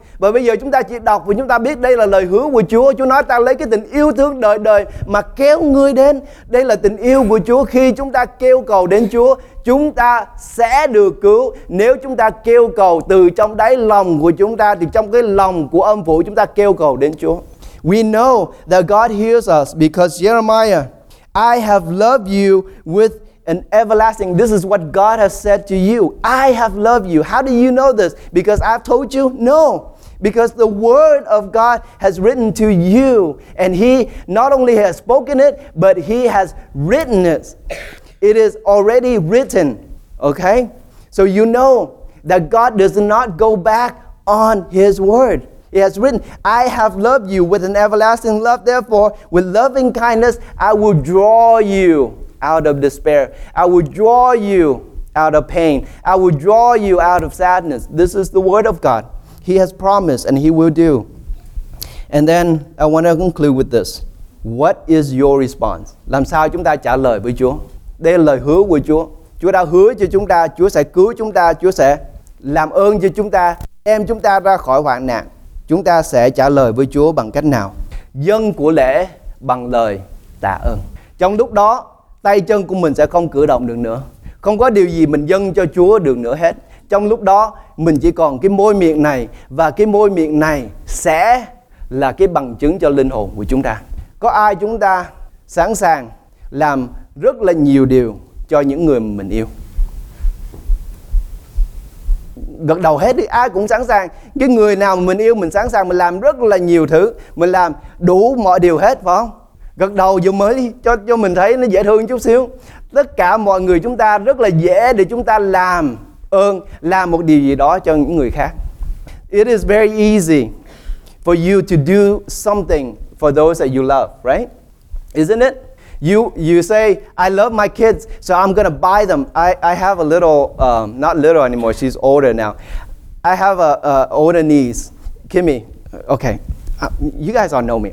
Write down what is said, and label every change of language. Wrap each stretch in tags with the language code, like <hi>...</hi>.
<vi>Và bây giờ chúng ta chỉ đọc và chúng ta biết đây là lời hứa của Chúa. Chúa nói ta lấy cái tình yêu thương đời đời mà kéo ngươi đến. Đây là tình yêu của Chúa. Khi chúng ta kêu cầu đến Chúa, chúng ta sẽ được cứu. Nếu chúng ta kêu cầu từ trong đáy lòng của chúng ta, thì trong cái lòng của âm phủ chúng ta kêu cầu đến Chúa.</vi> <en>We know that God hears us because Jeremiah, I have loved you with an everlasting, this is what God has said to you. I have loved you. How do you know this? Because I've told you? No. Because the word of God has written to you, and he not only has spoken it, but he has written it. It is already written, okay? So you know that God does not go back on his word. He has written, I have loved you with an everlasting love, therefore, with loving kindness, I will draw you out of despair. I will draw you out of pain. I will draw you out of sadness. This is the word of God. He has promised and he will do. And then I want to conclude with this. What is your response?</en> <vi>Làm sao chúng ta trả lời với Chúa? Đây là lời hứa của Chúa. Chúa đã hứa cho chúng ta, Chúa sẽ cứu chúng ta, Chúa sẽ làm ơn cho chúng ta, đem chúng ta ra khỏi hoạn nạn. Chúng ta sẽ trả lời với Chúa bằng cách nào? Dâng của lễ bằng lời tạ ơn. Trong lúc đó, tay chân của mình sẽ không cử động được nữa. Không có điều gì mình dâng cho Chúa được nữa hết. Trong lúc đó, mình chỉ còn cái môi miệng này, và cái môi miệng này sẽ là cái bằng chứng cho linh hồn của chúng ta. Có ai chúng ta sẵn sàng làm rất là nhiều điều cho những người mình yêu? Gật đầu hết đi, ai cũng sẵn sàng. Cái người nào mình yêu, mình sẵn sàng, mình làm rất là nhiều thứ, mình làm đủ mọi điều hết, phải không? Gật đầu vừa mới đi, cho mình thấy nó dễ thương chút xíu. Tất cả mọi người chúng ta rất là dễ để chúng ta làm ơn, làm một điều gì đó cho những người khác.</vi> <en>It is very easy for you to do something for those that you love, right? Isn't it? You say, I love my kids, so I'm gonna buy them. I have a little, not little anymore, she's older now. I have a older niece, Kimmy. Okay, you guys all know me.</en>